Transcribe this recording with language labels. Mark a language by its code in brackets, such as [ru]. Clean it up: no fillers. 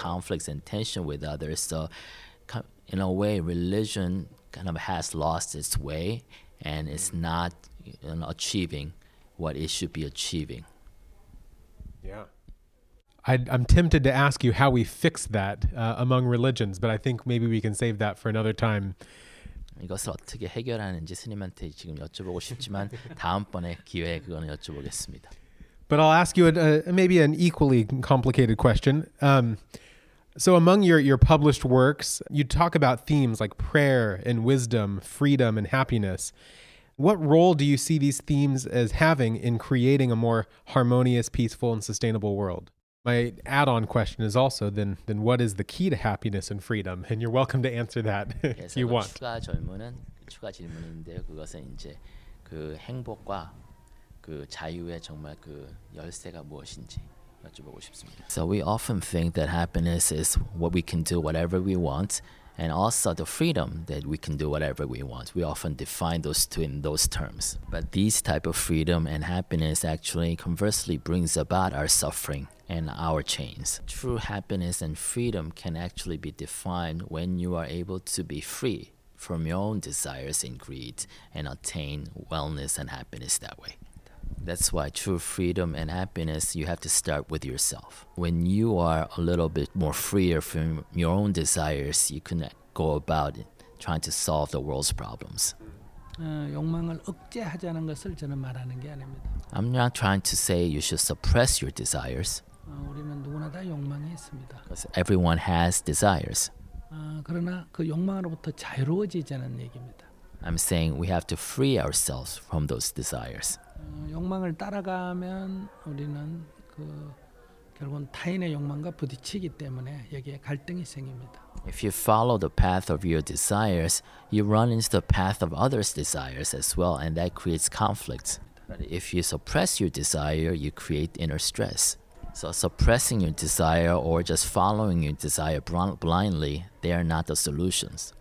[en] conflicts and tension with others. So in a way, religion kind of has lost its way and it's not, you know, achieving what it should be achieving. Yeah. I'm tempted to ask you how we fix that among religions, but I think maybe we can save that for another time. [ko] 이것을 어떻게 해결하는지 스님한테 지금 여쭤보고 싶지만 다음번에 기회에 그거는 여쭤보겠습니다. [en] But I'll ask you maybe an equally complicated question. So among your published works, you talk about themes like prayer and wisdom, freedom and happiness. What role do you see these themes as having in creating a more harmonious, peaceful, and sustainable world? My add-on question is also, then what is the key to happiness and freedom? And you're welcome to answer that if you want. [ko] 추가 질문은 추가 질문인데요. 그것은 이제 그 행복과 그 자유의 정말 그 열쇠가 무엇인지 여쭤보고 싶습니다. [en] So we often think that happiness is what we can do whatever we want, and also the freedom that we can do whatever we want. We often define those two in those terms. But these type of freedom and happiness actually conversely brings about our suffering and our chains. True happiness and freedom can actually be defined when you are able to be free from your own desires and greed and attain wellness and happiness that way. That's why true freedom and happiness, you have to start with yourself. When you are a little bit more freer from your own desires, you can go about it, trying to solve the world's problems. [ko] 욕망을 억제하자는 것을 저는 말하는 게 아닙니다. [en] I'm not trying to say you should suppress your desires. [ko] 우리는 누구나 다 욕망이 있습니다. [en] Because everyone has desires. [ko] 그러나 그 욕망으로부터 자유로워지자는 얘기입니다. [en] I'm saying we have to free ourselves from those desires. [ko] 욕망을 따라가면 우리는 그 결국은 타인의 욕망과 부딪히기 때문에 여기에 갈등이 생깁니다. [en] If you follow the path of your desires, you run into the path of others' desires as well, and that creates conflicts. But if you suppress your desire, you create inner stress. So suppressing your desire or just following your desire blindly, they are not the solutions.